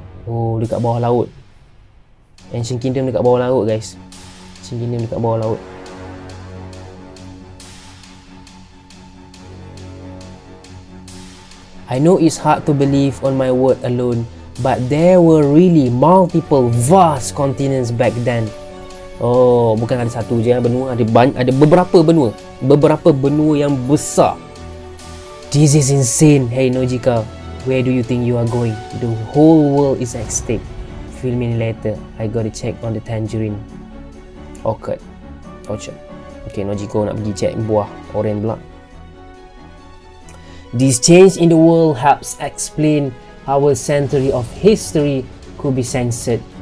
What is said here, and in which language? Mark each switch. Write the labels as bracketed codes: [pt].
[ms] Dekat bawah laut. Ancient Kingdom dekat bawah laut, guys. Ancient Kingdom dekat bawah laut. [en] I know it's hard to believe on my word alone, but there were really multiple vast continents back then. [ms] Bukan ada satu je benua, ada beberapa benua yang besar. [en] This is insane. Hey Nojika, where do you think you are going? The whole world is at stake. Fill me later. I gotta check on the tangerine. Orchard. [ms] Okay, Nojika nak pergi check buah oren pula. [en] This change in the world helps explain how a century of history could be censored.